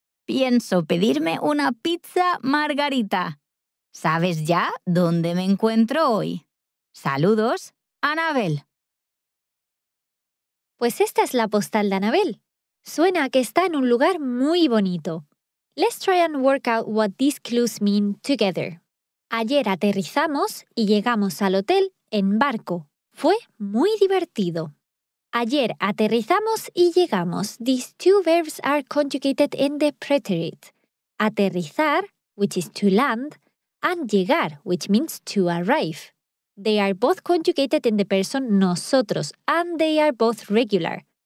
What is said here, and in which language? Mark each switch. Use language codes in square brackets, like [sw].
[es] Pienso pedirme una pizza margarita. ¿Sabes ya dónde me encuentro hoy? Saludos, Anabel. Pues esta es la postal de Anabel. Suena a que está en un lugar muy bonito. [en] Let's try and work out what these clues mean together. [es] Ayer aterrizamos y llegamos al hotel en barco. Fue muy divertido. Ayer aterrizamos y llegamos. [en] These two verbs are conjugated in the preterite. Aterrizar, which is to land, and llegar, which means to arrive. They are both conjugated in the person nosotros, and they are both regular.